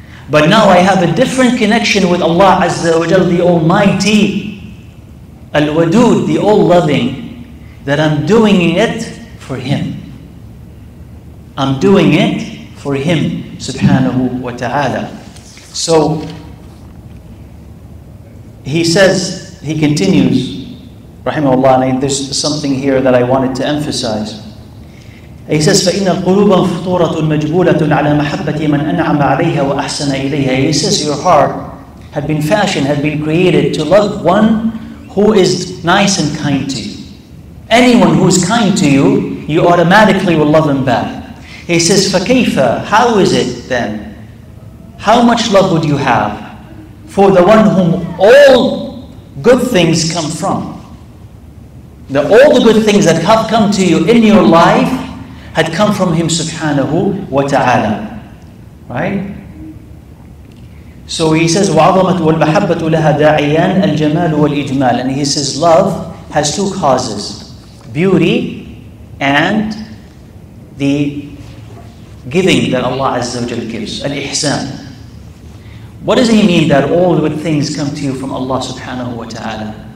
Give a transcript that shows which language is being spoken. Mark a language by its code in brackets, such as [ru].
[en] But now I have a different connection with Allah Azza wa Jal, the Almighty, Al-Wadud, the All-Loving, that I'm doing it for Him. I'm doing it for Him, Subhanahu wa Ta'ala. So, he says, he continues, rahimahullah, and there's something here that I wanted to emphasize. He says, [ar] فَإِنَّ الْقُلُوبَ فُطُورَةٌ مَجْبُولَةٌ عَلَى مَحَبَّةِ مَنْ أَنْعَمَ عَلَيْهَا وَأَحْسَنَ إِلَيْهَا. [en] He says, your heart had been fashioned, had been created to love one who is nice and kind to you. Anyone who is kind to you, you automatically will love him back. He says, [ar] فَكَيْفَ, [en] how is it then? How much love would you have for the one whom all good things come from? All the good things that have come to you in your life had come from him, Subhanahu wa Ta'ala. Right? So he says, [ar] وَعَظَمَةُ وَالْمَحَبَّةُ لَهَا دَاعِيَانَ الْجَمَالُ وَالْإِجْمَالُ. [en] And he says, love has two causes, beauty and the giving that Allah Azza wa Jal gives, al-ihsan. What does he mean that all good things come to you from Allah Subhanahu wa Ta'ala?